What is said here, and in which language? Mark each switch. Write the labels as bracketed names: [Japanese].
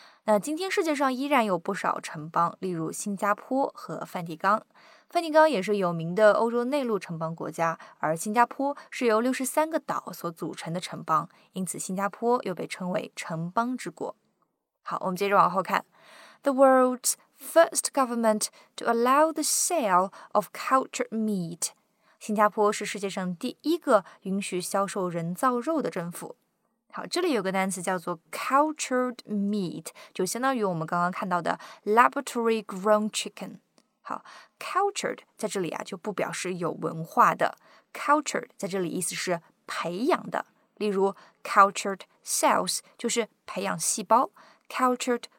[Chinese] 那今天世界上依然有不少城邦，例如新加坡和梵蒂冈。梵蒂冈也是有名的欧洲内陆城邦国家，而新加坡是由63个岛所组成的城邦，因此新加坡又被称为城邦之国。好，我们接着往后看。 [English] The world's first government to allow the sale of cultured meat. [Chinese] 新加坡是世界上第一个允许销售人造肉的政府。好，这里有个单词叫做 cultured meat， 就相当于我们刚刚看到的 [English] laboratory grown chicken。 [Chinese] 好， cultured 在这里啊就不表示有文化的， cultured 在这里意思是培养的，例如 cultured cells 就是培养细胞， cultured